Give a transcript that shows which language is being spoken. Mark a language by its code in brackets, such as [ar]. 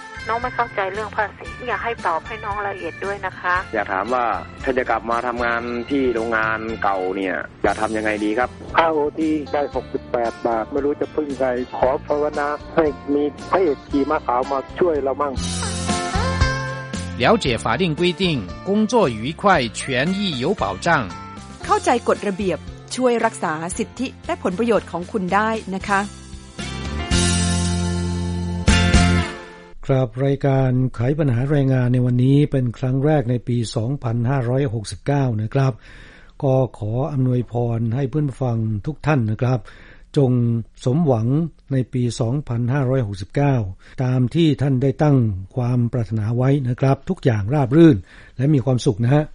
[th] น้องไม่เข้าใจเรื่องภาษีอยากให้ตอบให้น้องละเอียดด้วยนะคะ อยากถามว่าถ้าจะกลับมาทำงานที่โรงงานเก่าเนี่ยจะทำยังไงดีครับ ค่าโอทีได้68 บาทไม่รู้จะพึ่งใครขอภาวนาให้มีพระเอกขี่ม้าขาวมาช่วยเรามั่ง [zh] 了解法定规定，工作愉快，权益有保障。 [th] เข้าใจกฎระเบียบช่วยรักษาสิทธิและผลประโยชน์ของคุณได้นะคะ ครับรายการไขปัญหาแรงงานในวันนี้เป็นครั้งแรกในปี2569นะครับก็ขออำนวยพรให้เพื่อนฟังทุกท่านนะครับจงสมหวังในปี2569ตามที่ท่านได้ตั้งความปรารถนาไว้นะครับทุกอย่างราบรื่นและมีความสุขนะฮะ